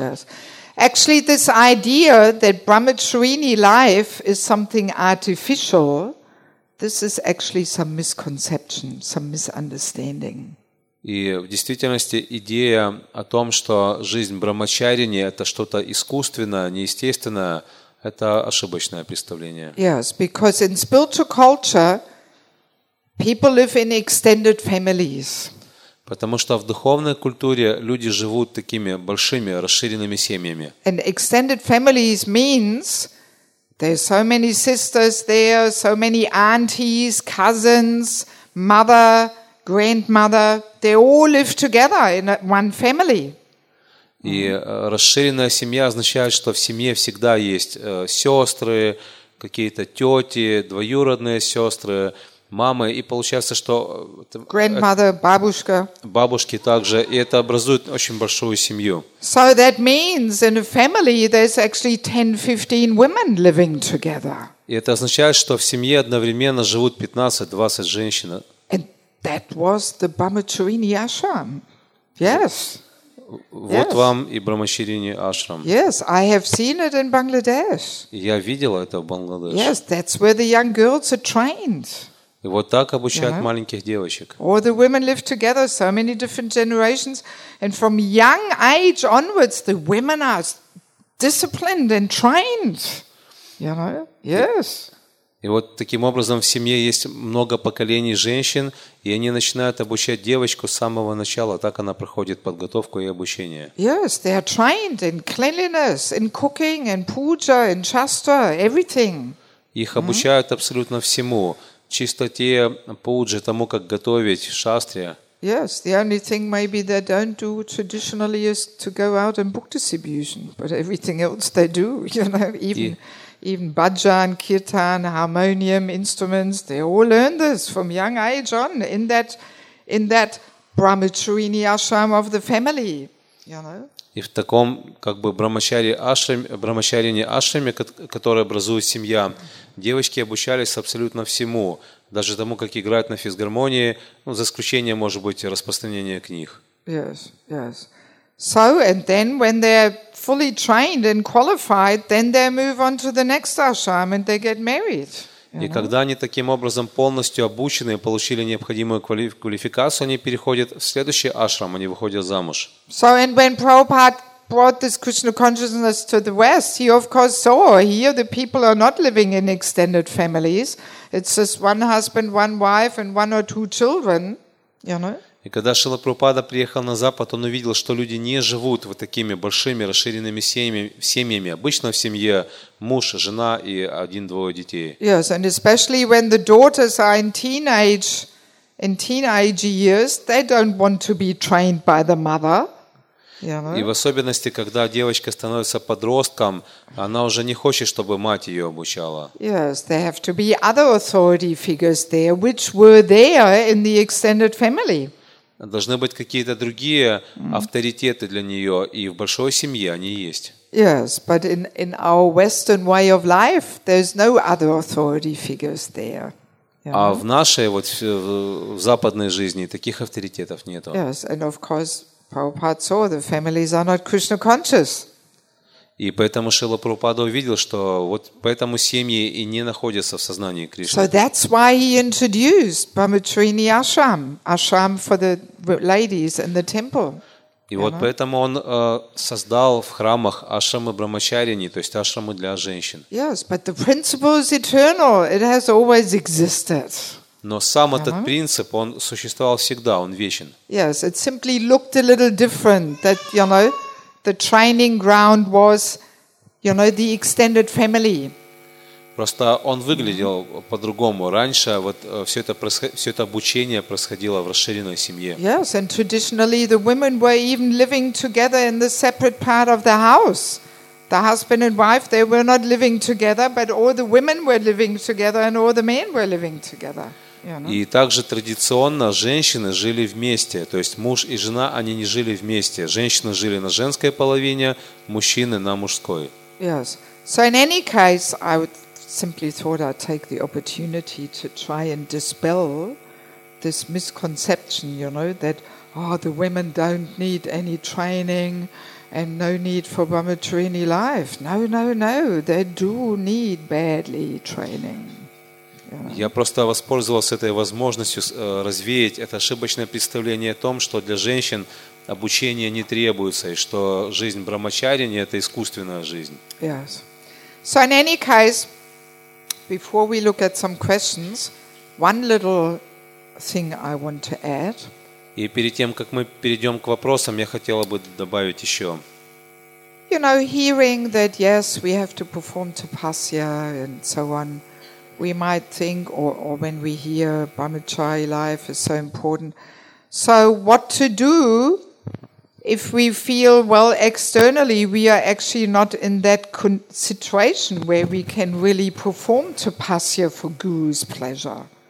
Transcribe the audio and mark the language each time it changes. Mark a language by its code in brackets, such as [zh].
[en] Yes. Actually, this idea that brahmacharini life is something artificial, this is actually some misconception, some misunderstanding. [ru] И в действительности идея о том, что жизнь брахмачарини – это что-то искусственное, неестественное, это ошибочное представление. [en] Yes, because in spiritual culture people live in extended families. [ru] Потому что в духовной культуре люди живут такими большими расширенными семьями. [en] And extended families means there's so many sisters there, so many aunties, cousins, mother, grandmother, they all live together in one family. [ru] И расширенная семья означает, что в семье всегда есть сестры, какие-то тети, двоюродные сестры, мамы. И получается, что [en] grandmother, [ru] бабушка. Бабушки также. И это образует очень большую семью. [en] So that means in a family there's actually 10-15 women living together. [ru] И это означает, что в семье одновременно живут 15-20 женщин. [en] And that was the Brahmacharini ashram. Yes. [ru] Вот [en] yes. [ru] вам и Брахмачарини ашрам. [en] Yes, I have seen it in Bangladesh. [ru] Я видела это в Бангладеш. [en] Yes, that's where the young girls are trained. [ru] И вот так обучают [en] yeah. [ru] маленьких девочек. [en] Or the women live together, so many different generations, and from young age onwards, the women are disciplined and trained. You know? Yes. [ru] И вот таким образом в семье есть много поколений женщин, и они начинают обучать девочку с самого начала, так она проходит подготовку и обучение. [en] Yes, they are trained in cleanliness, in cooking, in puja, in chastra, everything. [ru] Их обучают mm-hmm. абсолютно всему. Чистоте, пуджи, тому, как готовить, шастре. [en] Yes, the only thing maybe they don't do traditionally is to go out and book distribution, but everything else they do, you know, even bhajan, kirtan, harmonium, instruments, they all learn this from young age on in that Brahmacharini ashram of the family, you know. [ru] И в таком как бы брахмачарини ашраме, который образует семья, девочки обучались абсолютно всему, даже тому, как играть на физгармонии, ну, за исключением, может быть, распространения книг. [en] Yes, yes. So and then when they're fully trained and qualified, then they move on to the next ashram and they get married. [ru] И когда они таким образом полностью обучены и получили необходимую квалификацию, они переходят в следующий ашрам, они выходят замуж. [en] So and when Prabhupada brought this Krishna consciousness to the West, he of course saw here the people are not living in extended families. It's just one husband, one wife, and one or two children. You know? [ru] И когда Шрила Прабхупада приехал на Запад, он увидел, что люди не живут вот такими большими расширенными семьями. Обычно в семье муж, жена и один-двое детей. [en] Yes, and especially when the daughters are in teenage years, they don't want to be trained by the mother. You know? [ru] И в особенности, когда девочка становится подростком, она уже не хочет, чтобы мать ее обучала. [en] Yes, there have to be other authority figures there, which were there in the extended family. [ru] Должны быть какие-то другие авторитеты для нее, и в большой семье они есть. [en] Yes, but in our Western way of life, there's no other authority figures there. [ru] А в нашей вот в западной жизни таких авторитетов нету. [en] Yes, and of course, Prabhupada saw the families are not Krishna conscious. [ru] И поэтому Шрила Прабхупада увидел, что вот поэтому семьи и не находятся в сознании Кришны. [en] So that's why he introduced Brahmacharini ashram, ashram for the ladies in the temple. [ru] И вот поэтому он создал в храмах ашрамы брахмачарини, то есть ашрамы для женщин. [en] Yes, but the principle is eternal. It has always existed. [ru] Но сам этот принцип, он существовал всегда, он вечен. [en] Yes, it simply looked a little different that, you know, the training ground was, you know, the extended family. [ru] Просто он выглядел по-другому. Раньше вот все это обучение происходило в расширенной семье. [en] Yes, and traditionally the women were even living together in the separate part of the house. The husband and wife, they were not living together, but all the women were living together and all the men were living together. [ru] И также традиционно женщины жили вместе, то есть муж и жена, они не жили вместе. Женщины жили на женской половине, мужчины на мужской. [en] Yes. So in any case, I would simply thought I'd take the opportunity to try and dispel this misconception, you know, that oh, the women don't need any training and no need for Brahmacharini life. No, no, no. They do need badly training. [ru] Я просто воспользовался этой возможностью развеять это ошибочное представление о том, что для женщин обучение не требуется, и что жизнь брахмачарини – это искусственная жизнь. [en] Yes. So in any case, before we look at some questions, one little thing I want to add. [ru] И перед тем, как мы перейдем к вопросам, я хотела бы добавить еще. [en] You know, hearing that, yes, we have to perform tapasya and so on, we might think, or when we hear Brahmacharya life is so important. So what to do If we feel well externally, we are actually not in that situation where we can really perform tapasya for guru's pleasure.